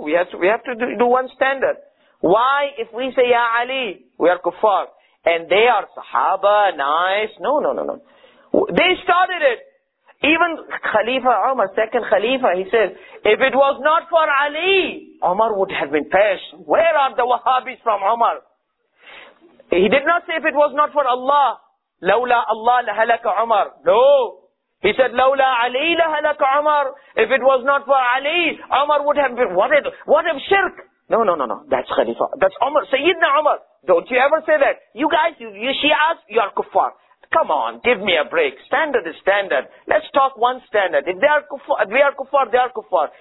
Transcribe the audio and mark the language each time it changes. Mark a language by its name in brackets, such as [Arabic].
[English] We have to do one standard. Why, if we say, Ya Ali, we are kuffar, and they are sahaba, nice. No. They started it. Even Khalifa Umar, second Khalifa, he said, if it was not for Ali, Umar would have been perished. Where are the Wahhabis from Umar? He did not say if it was not for Allah, [Arabic] لولا الله لهلك عمر. [English] No. [Arabic] He said, لولا علي لهلك عمر. [English] If it was not for Ali, Umar would have been, what if shirk? No. That's Khalifa. That's Umar. Sayyidina Umar. Don't you ever say that. You guys, you Shias, you are kuffar. Come on, give me a break. Standard is standard. Let's talk one standard. If they are kuffar, we are kuffar, they are kuffar.